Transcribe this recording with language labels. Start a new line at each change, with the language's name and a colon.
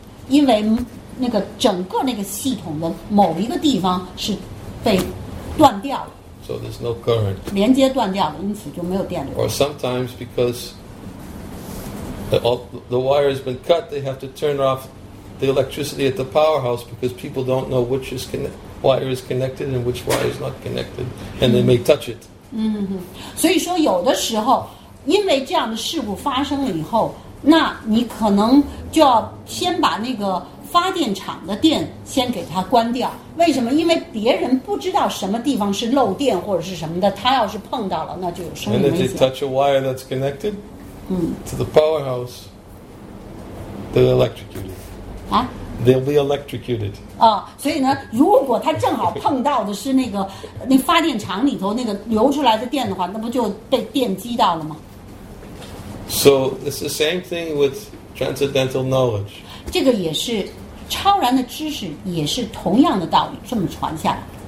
Chinese: 因为那个整个那个系统的某一个地方是被断掉了
English: so there's no current
Chinese: 连接断掉了因此就没有电流
English: or sometimes because the wire has been cut they have to turn off the electricity at the powerhouse because people don't know which is wire is connected and which wire is not connected and they may touch it
Chinese: 所以说有的时候因为这样的事故发生了以后那你可能就要先把那个发电厂的电先给它关掉为什么因为别人不知道什么地方是漏电或者是什么的他要是碰到了那就有生命危险
English: And if they touch a wire that's connected to the powerhouse they'll electrocute it、啊、 they'll be electrocuted、
Chinese: 啊、所以呢如果他正好碰到的是那个那发电厂里头那个流出来的电的话那不就被电击到了吗
English: So it's the same thing with transcendental knowledge.
Chinese: 这个也是超然的知识，也是同样的道理，这么传下来。